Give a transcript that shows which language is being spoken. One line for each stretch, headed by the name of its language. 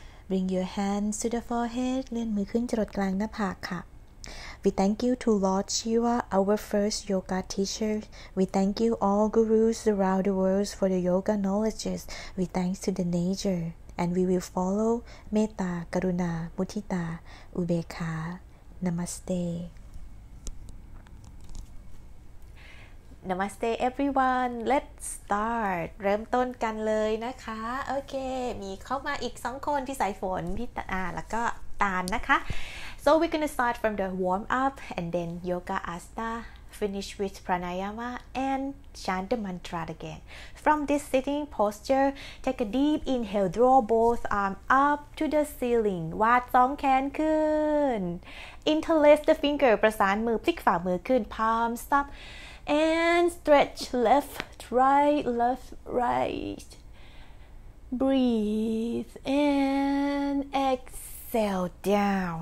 English: Bring your hands to the forehead
Thai: เลื่อนมือขึ้นจรดกลางหน้าผากค่ะ
English: We thank you to Lord Shiva, our first yoga teacher. We thank you all gurus around the world for the yoga knowledges. We thanks to the nature. And we will follow Metta, Karuna, Mudita, Ubekha, Namaste. Namaste everyone. Let's start.
Thai: เริ่มต้นกันเลยนะคะโอเคมีเข้ามาอีก2คนพี่สายฝนพี่ตาแล้วก็ตาลนะคะ
English: So we're going to start from the warm up and then yoga asana finish with pranayama and chant the mantra again. From this sitting posture, take a deep inhale, draw both arms up to the ceiling.
Thai: วาด2แขนขึ้น
English: Interlace the finger
Thai: ประสานมือพลิกฝ่ามือขึ้น
English: palms upAnd stretch left, right. Breathe and exhale down.